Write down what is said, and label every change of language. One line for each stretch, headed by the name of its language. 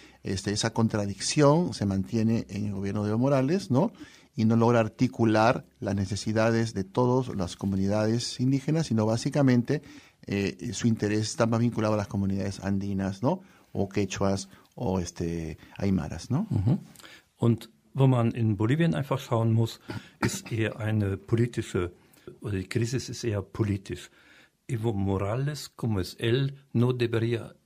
Spanish: Esa contradicción se mantiene en el gobierno de Evo Morales, ¿no?, y no logra articular las necesidades de todas las comunidades indígenas, sino básicamente su interés está más vinculado a las comunidades andinas, ¿no?, o quechuas o aymaras, ¿no? Uh-huh.
German: Und wo man in Bolivien einfach schauen muss, ist eher eine politische, oder die Krise ist eher politisch.
Spanish: Evo Morales, como es él, no debería...